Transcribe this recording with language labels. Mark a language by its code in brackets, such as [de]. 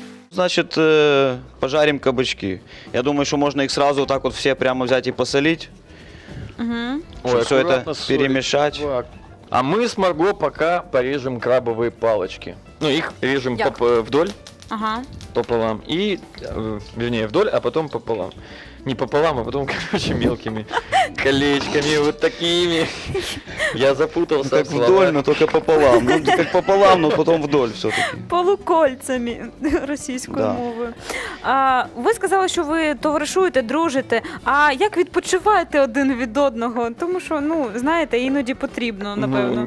[uk] Значить, пожарим кабачки. Я думаю, що можна їх зразу так от все прямо взяти і посолити. Угу. Ой, все це перемішати. Так. А ми з Марго поки поріжемо крабові палички. Ну, їх ріжемо вдоль. Ага. Пополам. І, вірніше, вдоль, а потім пополам. [ru] Не пополам, [uk] а потім, [ru] короче, мелкими колечками, вот такими. Я запутався. Так вдоль, но только пополам. Ну, как пополам, но потом вдоль все-таки. Полукольцами [uk] російською мовою. А, ви сказали, що ви товаришуєте, дружите. А як відпочиваєте один від одного? Тому що, ну, знаєте, іноді потрібно, напевно.